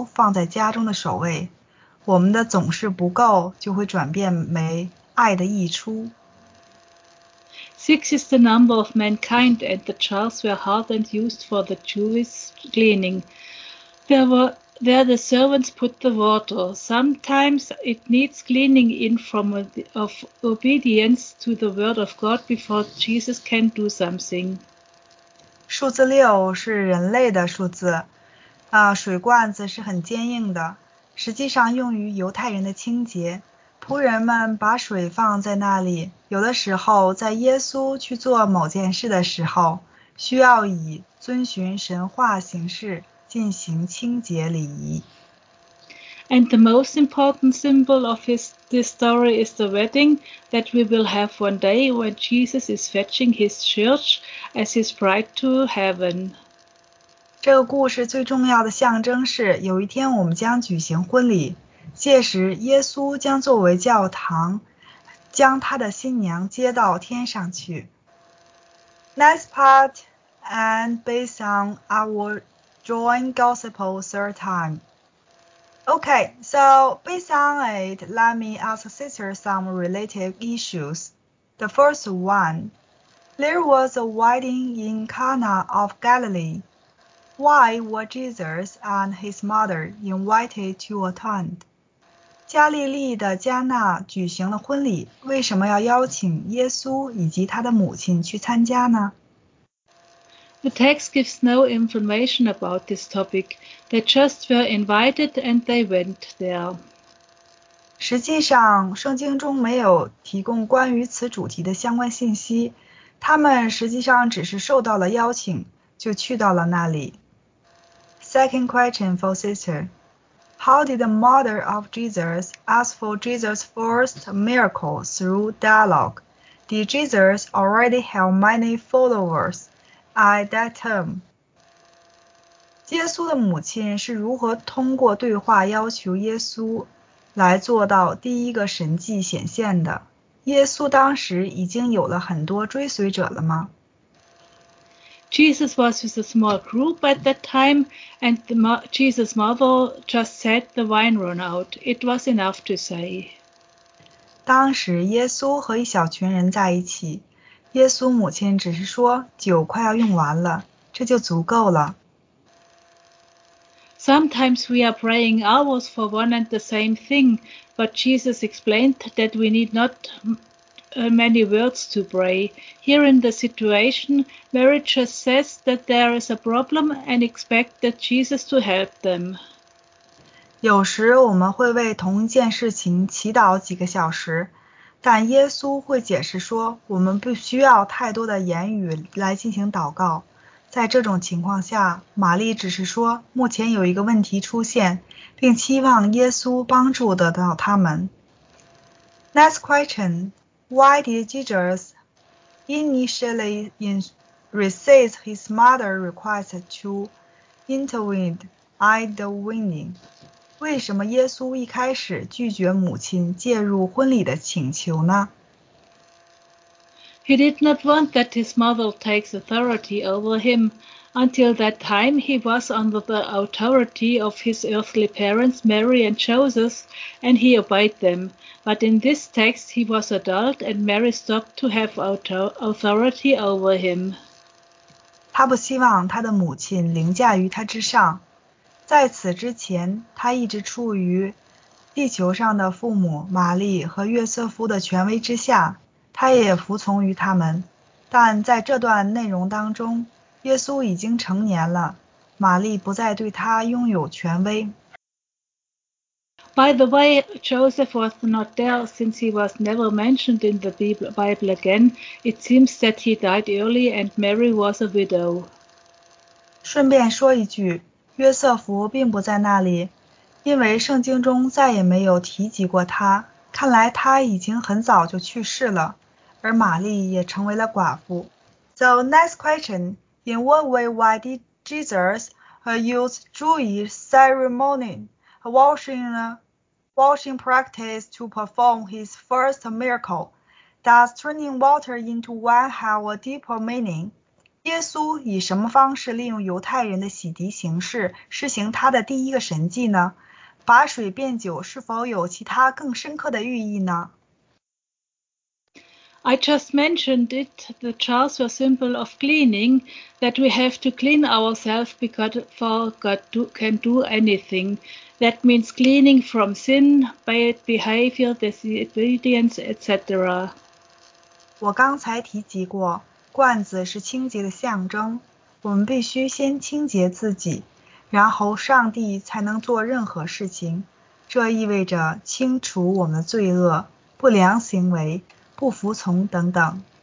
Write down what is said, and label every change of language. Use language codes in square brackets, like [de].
[zh] 酒是爱的象征。如今，许多婚姻因缺乏爱而破裂。当我们没有足够的爱供给的时候，耶稣那里总是能够有足够的爱。如果我们把耶稣放在家中的首位， 我们的总是不够，就会转变为爱的溢出。 [en] Six is the number of mankind, and the jars were hardened used for the Jewish cleaning. There the servants put the water. Sometimes it needs cleaning in from of obedience to the word of God before Jesus can do something. [zh] 数字六是人类的数字。水罐子是很坚硬的，实际上用于犹太人的清洁。仆人们把水放在那里，有的时候在耶稣去做某件事的时候，需要以遵循神话形式进行清洁礼仪。 [en] And the most important symbol of this story is the wedding that we will have one day when Jesus is fetching his church as his bride to heaven. [zh] 这个故事最重要的象征是，有一天我们将举行婚礼，届时耶稣将作为教堂，将他的新娘接到天上去。 [en] Next part, and based on our joint gospel third time. Okay, so based on it, let me ask sister some related issues. The first one, there was a wedding in Cana of Galilee. Why were Jesus and his mother invited to attend? [zh] 加利利的加纳举行了婚礼，为什么要邀请耶稣以及他的母亲去参加呢？ [en] The text gives no information about this topic. They just were invited and they went there. [zh] 实际上，圣经中没有提供关于此主题的相关信息。他们实际上只是受到了邀请，就去到了那里。 [en] Second question for sister. How did the mother of Jesus ask for Jesus' first miracle through dialogue? Did Jesus already have many followers? At that time, [zh] 耶稣的母亲是如何通过对话要求耶稣来做到第一个神迹显现的？耶稣当时已经有了很多追随者了吗？ [en] Jesus was with a small group at that time, and Jesus' mother just said the wine ran out. It was enough to say. [zh] 当时耶稣和一小群人在一起。耶稣母亲只是说酒快要用完了，这就足够了。 [en] Sometimes we are praying hours for one and the same thing, but Jesus explained that we need not many words to pray. Here in the situation, Mary just says that there is a problem and expects that Jesus to help them. [zh] 有时我们会为同一件事情祈祷几个小时。但耶稣会解释说，我们不需要太多的言语来进行祷告。在这种情况下，玛丽只是说，目前有一个问题出现，并期望耶稣帮助得到他们。 [en] Next question, why did Jesus initially resist his mother's request to intervene at the wedding? [zh] 为什么耶稣一开始拒绝母亲介入婚礼的请求呢？ [en] He did not want that his mother takes authority over him. Until that time, he was under the authority of his earthly parents, Mary and Joseph, and he obeyed them. But in this text, he was adult, and Mary stopped to have authority over him. [zh] 他不希望他的母亲凌驾于他之上。在此之前，他一直处于地球上的父母玛丽和约瑟夫的权威之下，他也服从于他们。但在这段内容当中，耶稣已经成年了，玛丽不再对他拥有权威。 [en] By the way, Joseph was not there since he was never mentioned in the Bible again. It seems that he died early and Mary was a widow. [zh] 顺便说一句，约瑟夫并不在那里，因为圣经中再也没有提及过他。看来他已经很早就去世了，而玛丽也成为了寡妇。 [en] So next question, in what way why did Jesus use Jewish ceremony, washing practice to perform his first miracle? Does turning water into wine have a deeper meaning? [zh] 耶稣以什么方式利用犹太人的洗涤形式施行他的第一个神迹呢？把水变酒是否有其他更深刻的寓意呢？ [en] I just mentioned it, the jars were a symbol of cleaning, that we have to clean ourselves before God can do anything. That means cleaning from sin, bad behavior, disobedience, etc. [zh] 我刚才提及过，罐子是清洁的象征，我们必须先清洁自己，然后上帝才能做任何事情。这意味着清除我们的罪恶、不良行为、不服从等等。